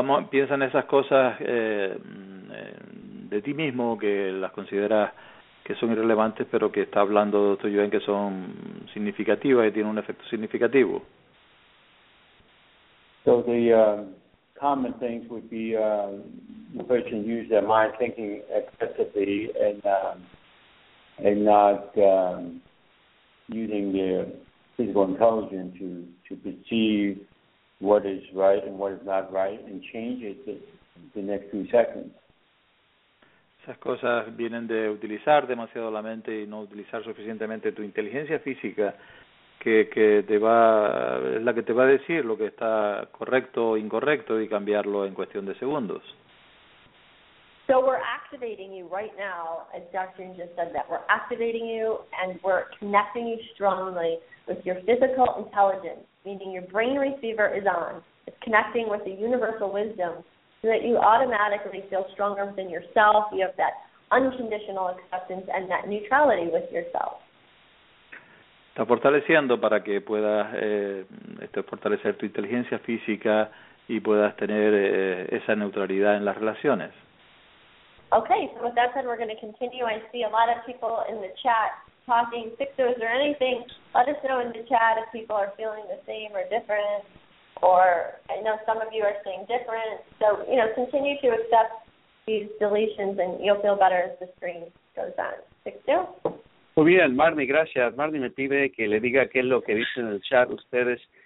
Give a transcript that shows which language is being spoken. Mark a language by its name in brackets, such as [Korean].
[Spanish] Piensa en esas cosas de ti mismo que las consideras que son irrelevantes, pero que está hablando Dr. Yuen que son significativas y tienen un efecto significativo. [English] So the common things would be the person uses their mind thinking excessively and not using their physical intelligence to perceive what is right and what is not right and change it the next 2 seconds. Esas cosas vienen de utilizar demasiado la mente y no utilizar suficientemente tu inteligencia física, que te va, es la que te va a decir lo que está correcto o incorrecto y cambiarlo en cuestión de segundos. So we're activating you right now, as Dr. Yun just said that. We're activating you and we're connecting you strongly with your physical intelligence, meaning your brain receiver is on. It's connecting with the universal wisdom, so that you automatically feel stronger within yourself. You have that unconditional acceptance and that neutrality with yourself. [Spanish] Está fortaleciendo para que puedas fortalecer tu inteligencia física y puedas tener esa neutralidad en las relaciones. [English] Okay, so with that said, we're going to continue. I see a lot of people in the chat talking. Sixto, is there anything? Let us know in the chat if people are feeling the same or different. Or I know some of you are saying different. So, you know, continue to accept these deletions and you'll feel better as the screen goes on. Sixto? [Spanish] Muy bien, Marnie, gracias. Marnie me pide que le diga qué es lo que dicen en el chat ustedes.